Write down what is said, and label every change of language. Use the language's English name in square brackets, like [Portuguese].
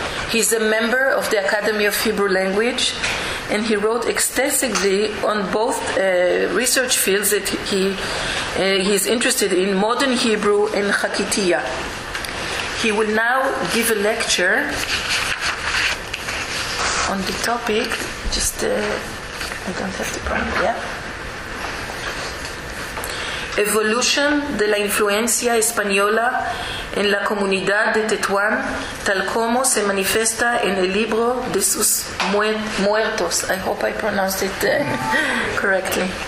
[English] He's a member of the Academy of Hebrew Language, and he wrote extensively on both research fields that he's interested in, modern Hebrew and Chakitia. He will now give a lecture on the topic, I don't have the problem, yeah? [Spanish] Evolution de la influencia española en la comunidad de Tetuán, tal como se manifiesta en el libro de sus muertos. [English] I hope I pronounced it correctly.